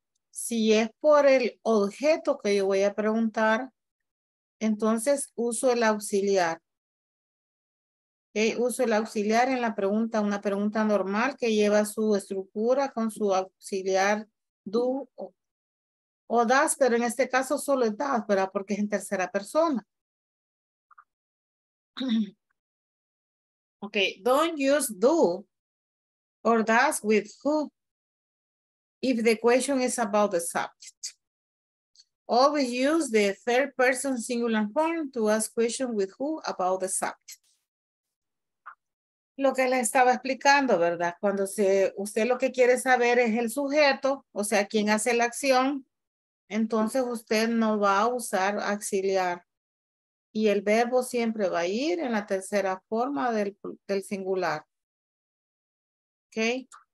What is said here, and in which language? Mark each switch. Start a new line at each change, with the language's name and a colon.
Spanish: Si es por el objeto que yo voy a preguntar, entonces uso el auxiliar. Okay, uso el auxiliar en la pregunta, una pregunta normal que lleva su estructura con su auxiliar do o das, pero en este caso solo es das, ¿verdad? Porque es en tercera persona.
English: Ok, don't use do or das with who. If the question is about the subject, always use the third person singular form to ask questions with who about the subject.
Spanish: Lo que le estaba explicando, ¿verdad? Cuando usted lo que quiere saber es el sujeto, o sea, quién hace la acción, entonces usted no va a usar auxiliar. Y el verbo siempre va a ir en la tercera forma del singular. ¿Ok?